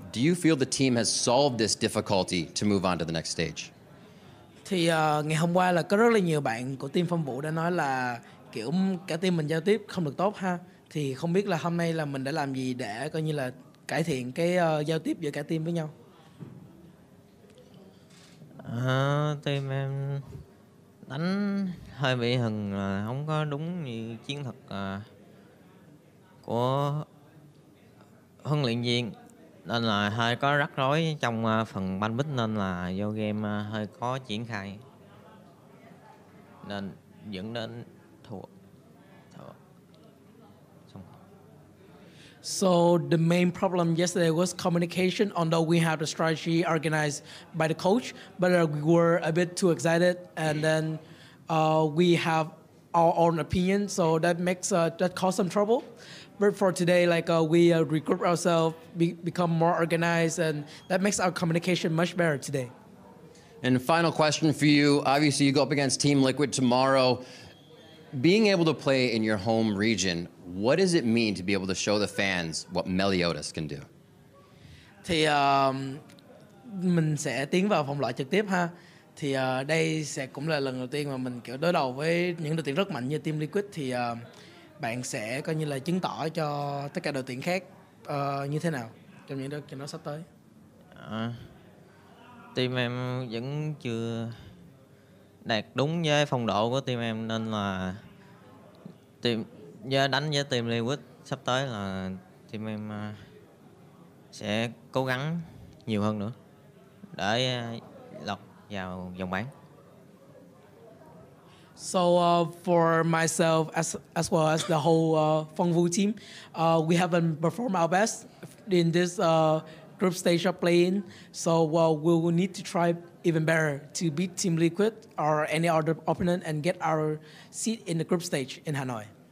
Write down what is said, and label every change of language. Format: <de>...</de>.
<en>Do you feel the team has solved this difficulty to move on to the next stage?</en> <vi>Thì ngày hôm qua là có rất là nhiều bạn của team Phong Vũ đã nói là kiểu cả team mình giao tiếp không được tốt ha. Thì không biết là hôm nay là mình đã làm gì để coi như là cải thiện cái giao tiếp giữa cả team với nhau. Team em đánh hơi bị hừng, không có đúng như chiến thuật của huấn luyện viên, nên là hơi có rắc rối trong phần ban bích, nên là vô game hơi khó triển khai nên dẫn đến thua.</vi> <en>So the main problem yesterday was communication, although we have the strategy organized by the coach, but we were a bit too excited and then we have our own opinion, so that makes that caused some trouble. But for today, like we regroup ourselves, become more organized, and that makes our communication much better today. And final question for you. Obviously, you go up against Team Liquid tomorrow. Being able to play in your home region, what does it mean to be able to show the fans what Melodas can do?</en> <vi>Thì mình sẽ tiến vào vòng loại trực tiếp ha. Thì đây sẽ cũng là lần đầu tiên mà mình kiểu đối đầu với những đội tuyển rất mạnh như Team Liquid. Thì bạn sẽ coi như là chứng tỏ cho tất cả đội tuyển khác như thế nào trong những trận đấu sắp tới. Team em vẫn chưa đạt đúng với phong độ của team em, nên là đánh với Team Liquid sắp tới là team em sẽ cố gắng nhiều hơn nữa để lọt vào vòng bán.</vi> <en>So for myself as well as the whole Phongvu team, we haven't performed our best in this group stage of playing. So we will need to try even better to beat Team Liquid or any other opponent and get our seat in the group stage in Hanoi.</en>